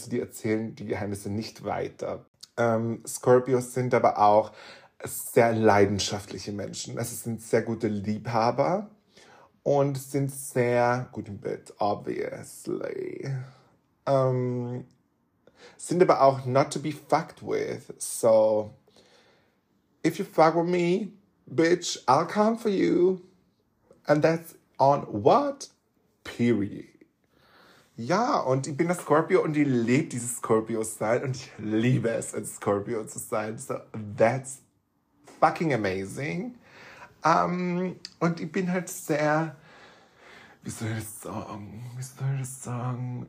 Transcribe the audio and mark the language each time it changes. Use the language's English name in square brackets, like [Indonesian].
[German] Also die erzählen die Geheimnisse nicht weiter. Scorpios sind aber auch sehr leidenschaftliche Menschen. Also sind sehr gute Liebhaber und sind sehr gut im Bett, obviously. Sind aber auch [English] not to be fucked with. So, if you fuck with me, bitch, I'll come for you. And that's on what? Period. [German] Ja, und ich bin das Scorpio und ich liebe dieses Scorpio-Sein und ich liebe es, ein Scorpio zu sein. [English] So, that's fucking amazing. [German] Und ich bin halt sehr. Wie soll ich das sagen? Wie soll ich das sagen?